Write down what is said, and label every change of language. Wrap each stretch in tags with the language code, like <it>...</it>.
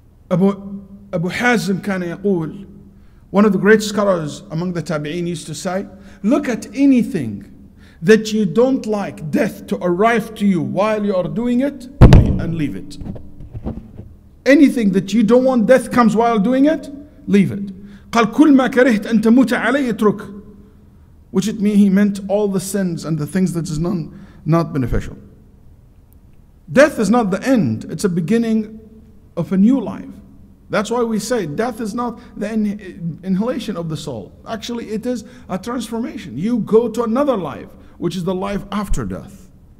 <en>Abu Hazm</en> <ar>kana yaqul,</ar> <en>one of the great scholars among the Tabi'in used to say, look at anything that you don't like death to arrive to you while you are doing it, and leave it. Anything that you don't want death comes while doing it, leave it.</en> <ar>قال كل ما كرهت أن تموت علي اترك.</ar> <en>Which it means he meant all the sins and the things that is not beneficial. Death is not the end, it's a beginning of a new life. That's why we say death is not the inhalation of the soul. Actually, it is a transformation. You go to another life, which is the life after death.</en>